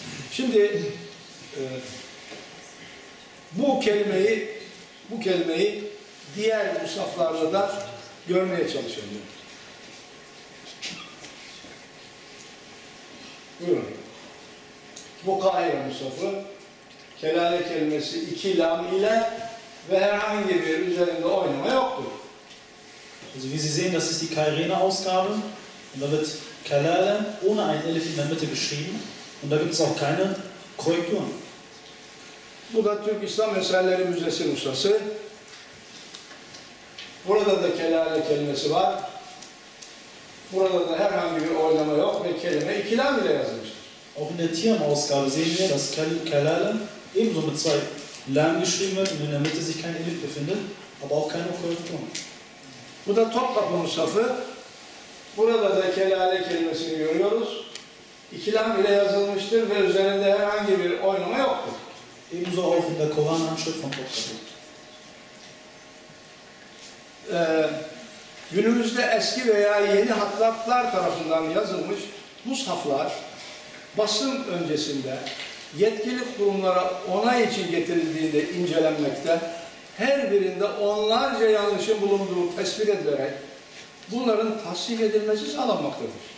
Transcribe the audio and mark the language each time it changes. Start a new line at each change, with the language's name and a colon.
Turkish: Şimdi bu kelimeyi diğer musaflarda da görmeye çalışıyorum. Buyurun. Bu Kahire Musafı, kelale kelimesi iki lam ile ve herhangi bir üzerinde oynama yoktur.
German: Also wie Sie sehen, das ist die Kahirene Ausgabe. Und da wird kelale ohne ein Elif in der Mitte geschrieben. Und da gibt es auch keine Korrekturen.
Turkish: Bu da Türk İslam Eserleri Müzesi Musası. Burada da kelale kelimesi var. Burada da herhangi bir oynama yok ve kelime iki lam ile yazılmış.
German: Auch in der Tiam-Ausgabe sehen wir, dass Kelale ebenso mit zwei Lam geschrieben wird und in der Mitte sich kein Elif befindet, aber auch keine Korrektur.
Turkish: Bu da Topkapı Musafı. Burada da Kelale kelimesini görüyoruz. İki Lam ile yazılmıştır ve üzerinde herhangi bir oynama yoktur.
German: Ebenso auch in der Koran-Anschrift von Topkapı.
Turkish: Günümüzde eski veya yeni hatlatlar tarafından yazılmış Mushaflar, basın öncesinde yetkili kurumlara onay için getirildiğinde incelenmekte her birinde onlarca yanlışın bulunduğu tespit edilerek bunların tahsil edilmesi sağlanmaktadır.